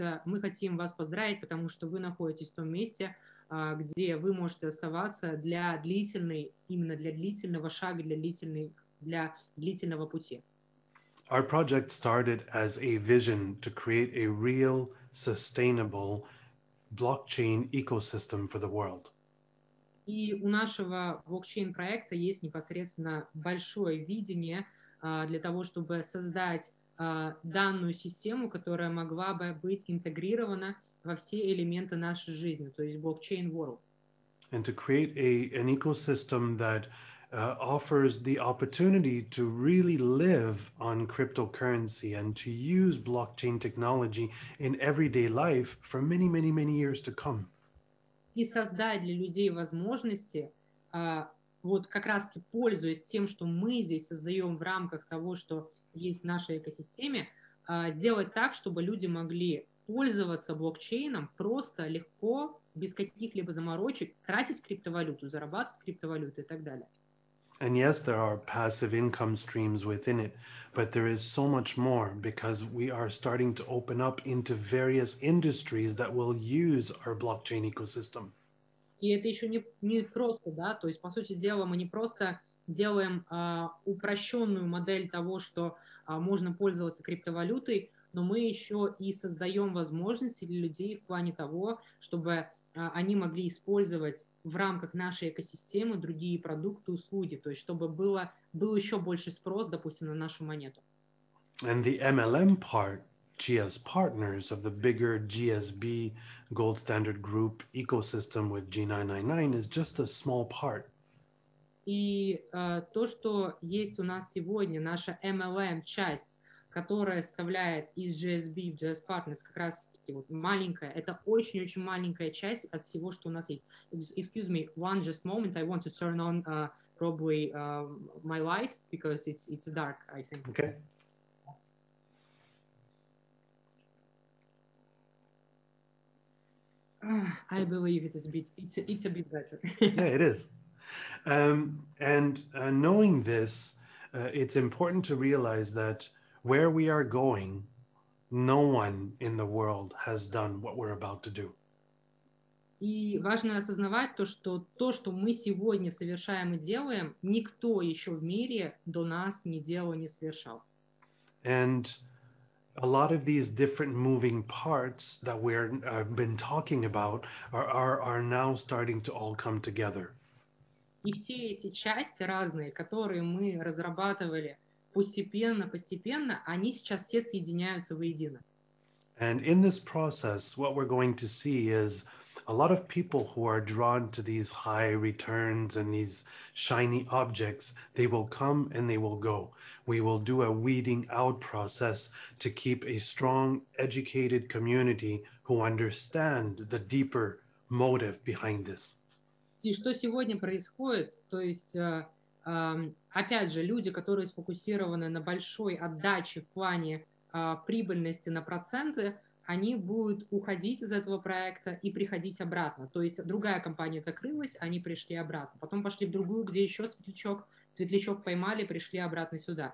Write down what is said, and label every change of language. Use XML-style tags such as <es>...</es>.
<ru>Мы хотим вас поздравить, потому что вы находитесь в том месте, где вы можете оставаться для длительной, именно для длительного шага, для длительного пути.</ru> <en>Our project started as a vision to create a real, sustainable blockchain ecosystem for the world.</en> <ru>И у нашего блокчейн-проекта есть непосредственно большое видение для того, чтобы создать данную систему, которая могла бы быть интегрирована во все элементы нашей жизни, то есть блокчейн world.</ru> <en>And to create an ecosystem that offers the opportunity to really live on cryptocurrency and to use blockchain technology in everyday life for many, many, many years to come.</en> <ru>И создать для людей возможности, вот как раз таки пользуясь тем, что мы здесь создаем в рамках того, что есть в нашей экосистеме, сделать так, чтобы люди могли пользоваться блокчейном просто, легко, без каких-либо заморочек, тратить криптовалюту, зарабатывать криптовалюту и так далее.</ru> <en>And yes, there are passive income streams within it, but there is so much more because we are starting to open up into various industries that will use our blockchain ecosystem.</en> <ru>И это еще не просто, да, то есть, по сути дела, мы не просто делаем упрощенную модель того, что можно пользоваться криптовалютой, но мы еще и создаем возможности для людей в плане того, чтобы они могли использовать в рамках нашей экосистемы другие продукты, услуги, то есть чтобы был еще больше спрос, допустим, на нашу монету.</ru> <en>And the MLM part, GS Partners of the bigger GSB Gold Standard Group ecosystem with G999 is just a small part.</en> <ru>И то, что есть у нас сегодня, наша MLM-часть, которая составляет из GSB в GS Partners, как раз вот маленькая, это очень-очень маленькая часть от всего, что у нас есть.</ru> <en>Excuse me, one just moment, I want to turn on probably my light, because it's dark, I think. Okay. I believe it's a bit better. Yeah, it is. Knowing this, it's important to realize that where we are going, no one in the world has done what we're about to do.</en> <ru>И важно осознавать то, что мы сегодня совершаем и делаем, никто еще в мире до нас не делал, не совершал.</ru> <en>And a lot of these different moving parts that we've been talking about are now starting to all come together.</en> <ru>И все эти части разные, которые мы разрабатывали постепенно, они сейчас все соединяются воедино.</ru> <en>And in this process, what we're going to see is a lot of people who are drawn to these high returns and these shiny objects, they will come and they will go. We will do a weeding out process to keep a strong, educated community who understand the deeper motive behind this.</en> <ru>И что сегодня происходит, то есть, опять же, люди, которые сфокусированы на большой отдаче в плане прибыльности на проценты, они будут уходить из этого проекта и приходить обратно. То есть другая компания закрылась, они пришли обратно. Потом пошли в другую, где еще светлячок поймали, пришли обратно сюда.</ru>